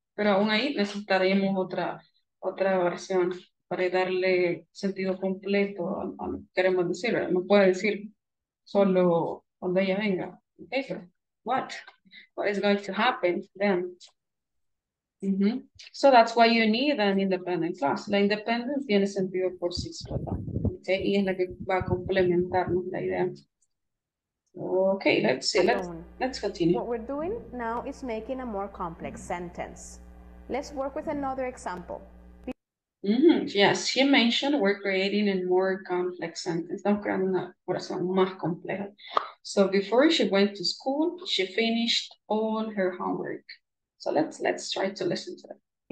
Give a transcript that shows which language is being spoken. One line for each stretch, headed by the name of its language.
Spanish: Pero aún ahí necesitaremos otra versión para darle sentido completo a lo que queremos decir. No puede decir solo cuando ella venga.
English: Okay, so what is going to happen then? Mm-hmm. So that's why you need an independent class.
Spanish: La independent tiene sentido por sí sola. Okay, y es la que va a complementarnos la idea.
English: Okay, let's see. Let's continue. What we're doing now is making a more complex sentence. Let's work with another example. Mm-hmm. Yes, she mentioned we're creating a more complex sentence.
Spanish: Estamos creando una oración más compleja.
English: So before she went to school, she finished all her homework. So let's try to listen to it.